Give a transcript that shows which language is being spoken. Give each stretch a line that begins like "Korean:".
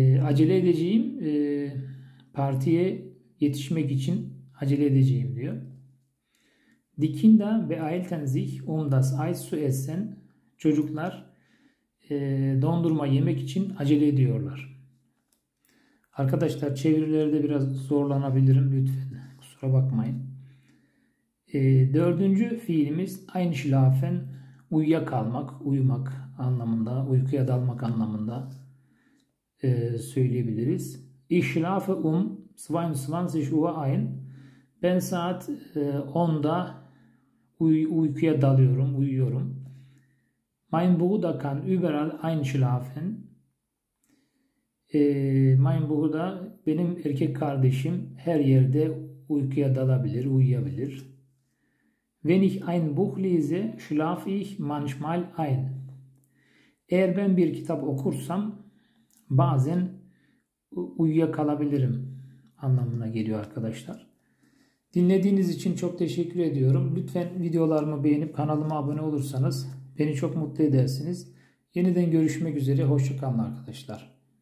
Turkish: Acele edeceğim. Partiye yetişmek için acele edeceğim diyor.
German: Die Kinder beeilten sich, das Eis zu essen.
Turkish: Çocuklar dondurma yemek için acele ediyorlar. Arkadaşlar çevirilerde biraz zorlanabilirim lütfen. Kusura bakmayın. Dördüncü fiilimiz einschlafen, uyuyakalmak, uyumak anlamında, uykuya dalmak anlamında söyleyebiliriz.
German: Ich schlafe 22 Uhr ein.
Turkish: Ben saat 10'da uykuya dalıyorum, uyuyorum.
German: Mein Bruder kann überall einschlafen. Mein Bruder,
Turkish: benim erkek kardeşim her yerde uykuya dalabilir, uyuyabilir.
German: Wenn ich ein Buch lese, schlafe ich manchmal ein.
Turkish: Eğer ben bir kitap okursam bazen uyuyakalabilirim anlamına geliyor arkadaşlar. Dinlediğiniz için çok teşekkür ediyorum. Lütfen videolarımı beğenip kanalıma abone olursanız beni çok mutlu edersiniz. Yeniden görüşmek üzere. Hoşça kalın arkadaşlar.